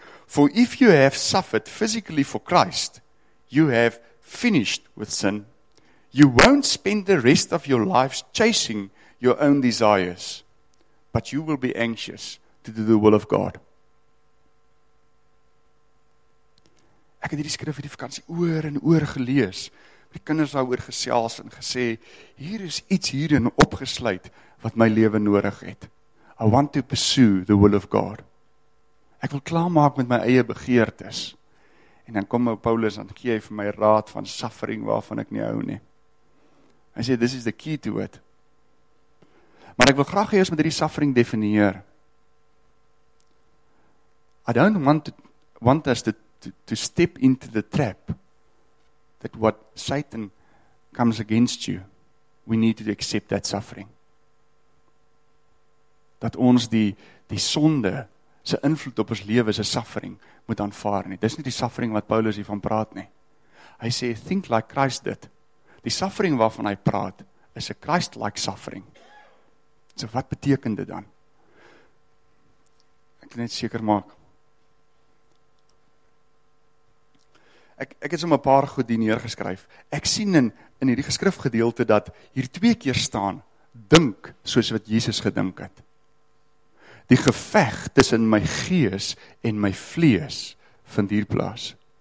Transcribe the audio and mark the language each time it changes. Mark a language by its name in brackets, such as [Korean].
[English] For if you have suffered physically for Christ, you have finished with sin. You won't spend the rest of your lives chasing your own desires, but you will be anxious to do the will of God. [Afrikaans] Ek het hierdie skrif hierdie vakansie oor en oor gelees. Die kinders daaroor gesels en gesê, hier is iets hierin opgesluit wat my lewe nodig het. [English] I want to pursue the will of God. [Afrikaans] Ek wil klaarmaak met my eie begeertes. En dan kom my Paulus, dan gee hy vir my raad van suffering waarvan ek nie hou nie. Hy sê, [English] this is the key to it. [Afrikaans] Maar ek wil graag eers met die suffering definieer. [English] I don't want us to step into the trap that what Satan comes against you, we need to accept that suffering. [Afrikaans] Dat ons die sonde se invloed op ons lewe se suffering moet aanvaar nie. Dis nie die suffering wat Paulus hiervan praat nie. Hy sê, [English] think like Christ did. [Afrikaans] Die suffering waarvan hy praat, is [English] a Christ-like suffering. [Afrikaans] So wat beteken dit dan? Ek wil net seker maak. Ek het sommer 'n paar goed hier neergeskryf. Ek sien in hierdie geskrifgedeelte dat hier twee keer staan, dink soos wat Jesus gedink het. Die geveg tussen my gees en my vlees vind hier plaas.